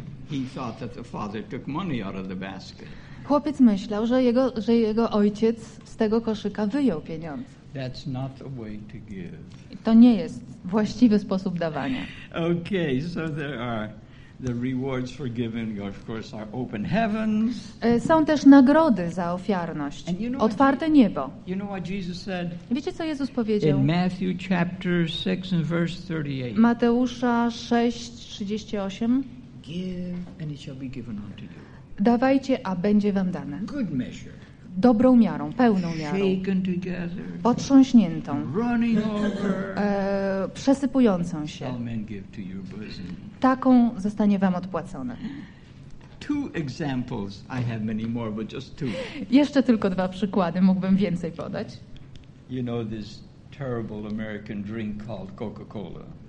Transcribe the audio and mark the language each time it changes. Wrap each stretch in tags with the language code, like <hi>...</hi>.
<en>He thought that the father took money out of the basket.</en> <pl>Chłopiec myślał, że jego ojciec z tego koszyka wyjął pieniądze.</pl> <en>That's not the way to give.</en> <pl>To nie jest właściwy sposób dawania.</pl> <en>Okay, so there are the rewards for giving, of course, are open heavens.</en> <pl>Są też nagrody za ofiarność.</pl> <en>And you know</en> <pl>otwarte niebo.</pl> <en>You know what Jesus said?</en> <pl>Wiecie, co Jezus powiedział?</pl> <en>In Matthew chapter 6 and verse 38.</en> <pl>Mateusza 6, 38.</pl> <en>Give and it shall be given unto you.</en> <pl>Dawajcie, a będzie wam dane.</pl> <en>Good measure.</en> <pl>Dobrą miarą, pełną miarą.</pl> <en>Shaken together.</en> <pl>Potrząśniętą.</pl> <en>Running over.</en> <pl>Przesypującą się.</pl> <en>Shall men give to your bosom.</en> <pl>Taką zostanie wam odpłacone.</pl> <en>Two examples. I have many more, but just two.</en> <pl>Jeszcze tylko dwa przykłady, mógłbym więcej podać.</pl> <en>You know this terrible American drink called Coca-Cola.</en>